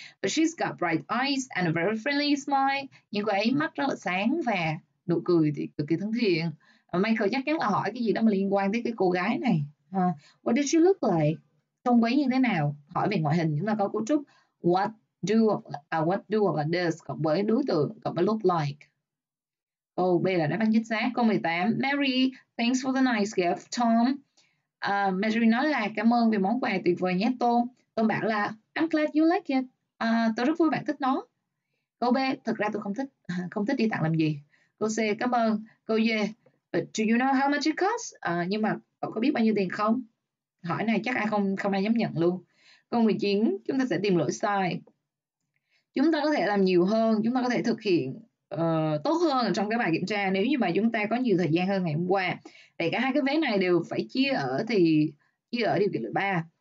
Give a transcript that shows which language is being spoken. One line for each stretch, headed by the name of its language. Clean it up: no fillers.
English: But she's got bright eyes and a very friendly smile.
Vietnamese: Nhưng cô ấy mắt rất là sáng và nụ cười thì cực kỳ thân thiện. Michael chắc chắn là hỏi cái gì đó mà liên quan tới cái cô gái này.
English: What did she look like?
Vietnamese: Trông quấy như thế nào? Hỏi về ngoại hình, chúng ta có cấu trúc what do or does cộng với đối tượng cộng với look like. Câu B là đáp án chính xác. Câu 18,
English: Mary, thanks for the nice gift, Tom.
Vietnamese: Mary nói là cảm ơn về món quà tuyệt vời nhé Tom. Tom bảo là
English: I'm glad you like it.
Vietnamese: Tôi rất vui bạn thích nó. Câu B, thật ra tôi không thích đi tặng làm gì. Câu C, cảm ơn. Câu D,
English: but do you know how much it costs?
Vietnamese: Nhưng mà cậu có biết bao nhiêu tiền không? Hỏi này chắc không ai dám nhận luôn. Câu 19, chúng ta sẽ tìm lỗi sai. Chúng ta có thể làm nhiều hơn, chúng ta có thể thực hiện tốt hơn trong cái bài kiểm tra nếu như mà chúng ta có nhiều thời gian hơn ngày hôm qua. Vậy cả hai cái vế này đều phải chia ở điều kiện lỗi 3.